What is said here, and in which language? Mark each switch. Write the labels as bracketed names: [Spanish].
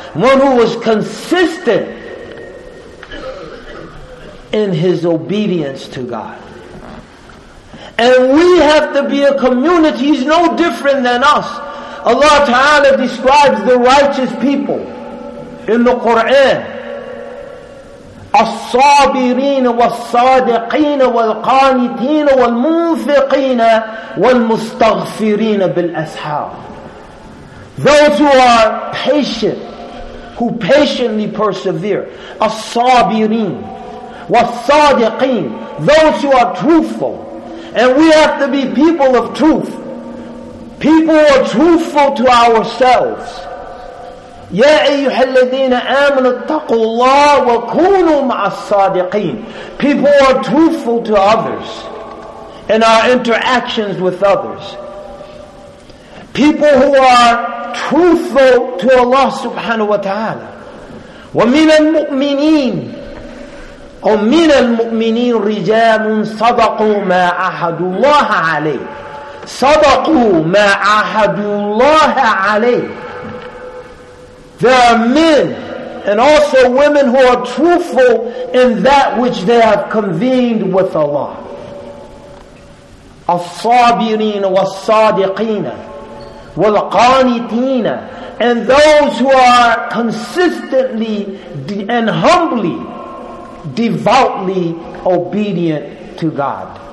[English] One who was consistent in his obedience to God. And we have to be a community. He's no different than us. Allah Ta'ala describes the righteous people in the Quran. [Arabic] الصابرين والصادقين والقانتين والمنفقين والمستغفرين بالأسحار. [English] Those who are patient, who patiently persevere. [Arabic] الصابرين والصادقين. [English] Those who are truthful. And we have to be people of truth. People who are truthful to ourselves. [Arabic] يَا أَيُّهَا الَّذِينَ آمَنُوا اتَّقُوا اللَّهَ وَكُونُوا مَعَ الصَّادِقِينَ. [English] People who are truthful to others in our interactions with others. People who are truthful to Allah subhanahu wa ta'ala. [Arabic] وَمِنَ الْمُؤْمِنِينَ أو من المؤمنين رجال صدقوا ما عهد الله عليه صدقوا ما عهد الله عليه. [English] There are men and also women who are truthful in that which they have convened with Allah. [Arabic] الصابرين والصادقين والقانتين. [English] And those who are consistently and humbly, devoutly obedient to God.